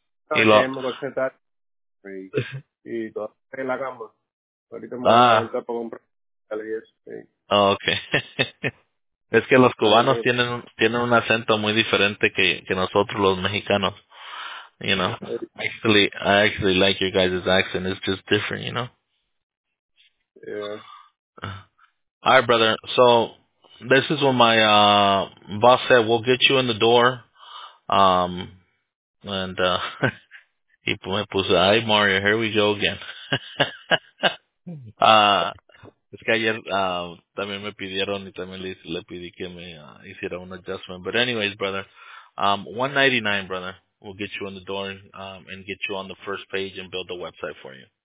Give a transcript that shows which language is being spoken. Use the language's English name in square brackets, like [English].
[English] Okay. [Spanish] Es que los cubanos tienen un acento muy diferente que nosotros los mexicanos. [English] You know, I actually like your guys' accent. It's just different, you know? Yeah. All right, brother. So, this is what my boss said. We'll get you in the door. And he [Spanish] puso, ay, [English] Mario, here we go again. [Spanish] Es que ayer también me pidieron y también le pedí que me hiciera un adjustment. [English] But anyways, brother, $199, brother. We'll get you in the door and get you on the first page and build the website for you.